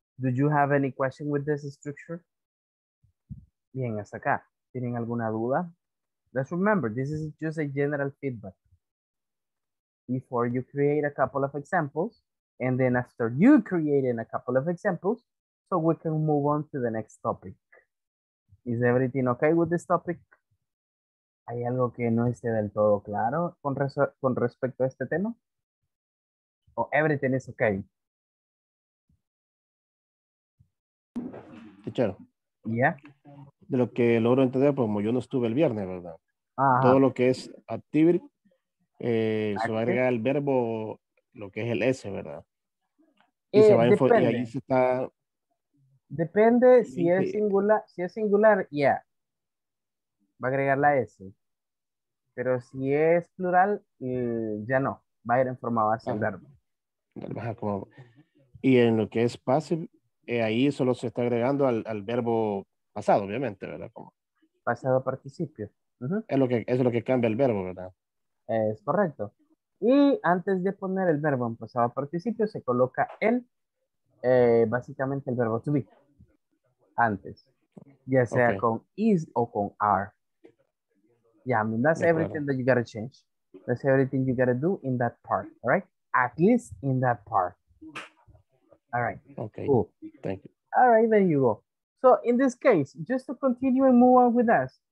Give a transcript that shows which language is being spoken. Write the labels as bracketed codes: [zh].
[en] Do you have any question with this structure? [es] Bien, hasta acá. ¿Tienen alguna duda? [en] Let's remember, this is just a general feedback. Before you create a couple of examples, and then after you create a couple of examples, so we can move on to the next topic. Is everything okay with this topic? [es] ¿Hay algo que no esté del todo claro con respecto a este tema? [en] ¿O everything is okay? Teacher. Yeah. [es] De lo que logro entender, pues como yo no estuve el viernes, ¿verdad? Ajá. Todo lo que es activity, se va a agregar el verbo, lo que es el S, ¿verdad? Y se va a enfocar, y ahí se está, Depende si es singular, ya. Va a agregar la S. Pero si es plural, ya no. Va a ir en forma base el verbo. Y en lo que es passive, ahí solo se está agregando al verbo pasado, obviamente, ¿verdad? Como... pasado participio. Uh-huh. Es lo que cambia el verbo, ¿verdad? Es correcto. Y antes de poner el verbo en pasado participio, se coloca el, básicamente el verbo to be. Antes. Ya sea con is o con are. [en] Yeah, I mean, that's everything that you gotta change. That's everything you gotta do in that part, all right? At least in that part. All right. Okay. Cool. Thank you. All right, there you go. So in this case, just to continue and move on with us.